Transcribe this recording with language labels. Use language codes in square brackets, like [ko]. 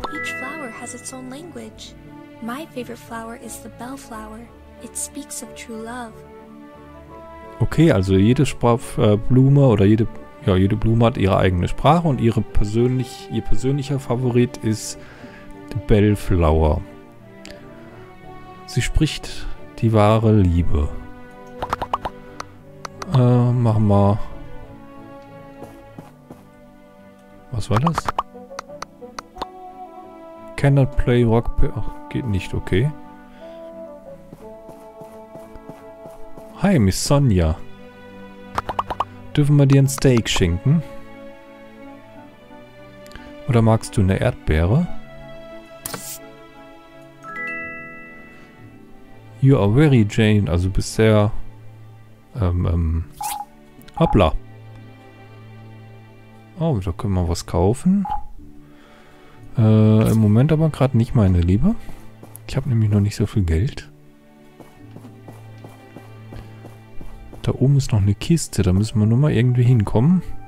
[en] Each flower has its own language. My favorite flower is the bellflower. It speaks of true love. [de] Okay, also jede Blume oder jede, ja, jede Blume hat ihre eigene Sprache und ihr persönlicher Favorit ist [en] the bellflower. [de] Sie spricht die wahre Liebe. Machen wir. Was war das? [en] Cannot play rock. [de] Ach, geht nicht, okay. Hi, Miss Sonja. Dürfen wir dir ein Steak schenken? Oder magst du eine Erdbeere? [en] You are very Jane, [de] also bist sehr. Hoppla. Oh, da können wir was kaufen. Im Moment aber gerade nicht, meine Liebe. Ich habe nämlich noch nicht so viel Geld. Da oben ist noch eine Kiste, da müssen wir nur mal irgendwie hinkommen.